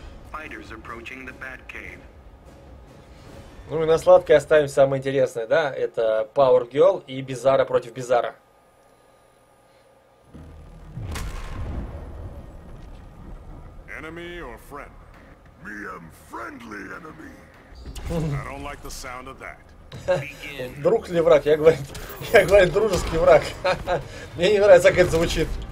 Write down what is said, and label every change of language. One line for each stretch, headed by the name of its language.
English: Fighters approaching the Batcave.
Russian: Ну и на сладкое оставим самое интересное, да? Это Power Girl и Бизара против Бизара.
English: Enemy or friend? Me am friendly enemy. I don't like the sound of that.
Russian: Друг или враг? Я говорю дружеский враг. Мне не нравится, как это звучит.